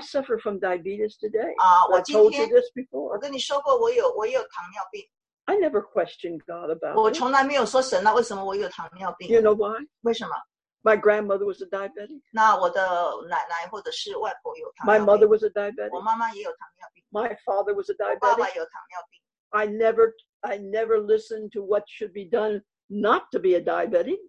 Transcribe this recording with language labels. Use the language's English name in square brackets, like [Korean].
[English] suffer from diabetes today. [Chinese] 我今天我跟你说过，我有糖尿病。 [English] I never questioned God about. [Chinese] 我从来没有说神啊，为什么我有糖尿病？ [English] You know why? [Chinese] 为什么？ [English] My grandmother was a diabetic. [Chinese] 那我的奶奶或者是外婆有糖尿病。 [English] My mother was a diabetic. [Chinese] 我妈妈也有糖尿病。 [English] My father was a diabetic. [Chinese] 我爸爸有糖尿病。 [English] I never listened to what should be done not to be a diabetic.